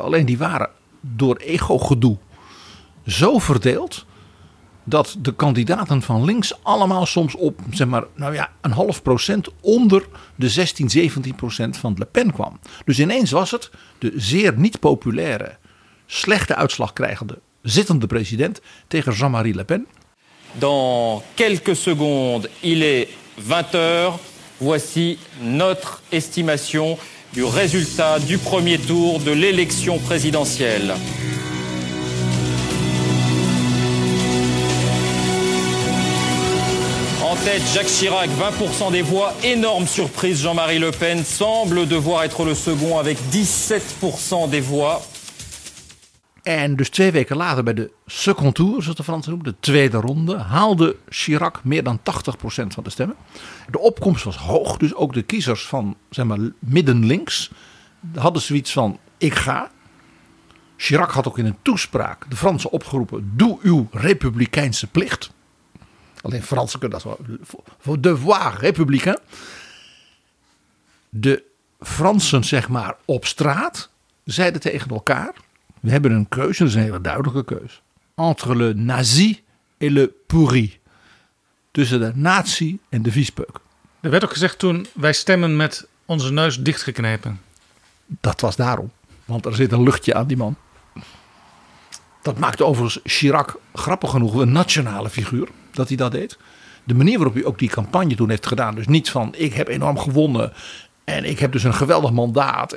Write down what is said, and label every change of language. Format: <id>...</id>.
<nl>Alleen die waren door ego-gedoe zo verdeeld dat de kandidaten van links allemaal soms op zeg maar, nou ja, een half procent onder de 16-17% van Le Pen kwam. Dus ineens was het de zeer niet populaire, slechte uitslag krijgende zittende president tegen Jean-Marie Le Pen.</nl> <fr>Dans quelques secondes, il est 20h. Voici notre estimation du résultat du premier tour de l'élection présidentielle. En tête, Jacques Chirac, 20% des voix. Énorme surprise, Jean-Marie Le Pen semble devoir être le second avec 17% des voix.</fr> <nl>En dus twee weken later bij de second tour, zoals de Fransen noemen, de tweede ronde, haalde Chirac meer dan 80% van de stemmen. De opkomst was hoog, dus ook de kiezers van zeg maar, middenlinks hadden zoiets van, ik ga. Chirac had ook in een toespraak de Fransen opgeroepen, doe uw republikeinse plicht. Alleen Fransen kunnen dat wel, voor</nl> <fr>devoir républicain.</fr> <nl>De Fransen zeg maar op straat zeiden tegen elkaar, we hebben een keuze, dat is een hele duidelijke keuze.</nl> <fr>Entre le nazi et le pourri.</fr> <nl>Tussen de nazi en de viespeuk. Er werd ook gezegd toen, wij stemmen met onze neus dichtgeknepen. Dat was daarom, want er zit een luchtje aan die man. Dat maakte overigens Chirac, grappig genoeg, een nationale figuur, dat hij dat deed. De manier waarop hij ook die campagne toen heeft gedaan, dus niet van, ik heb enorm gewonnen en ik heb dus een geweldig mandaat.</nl>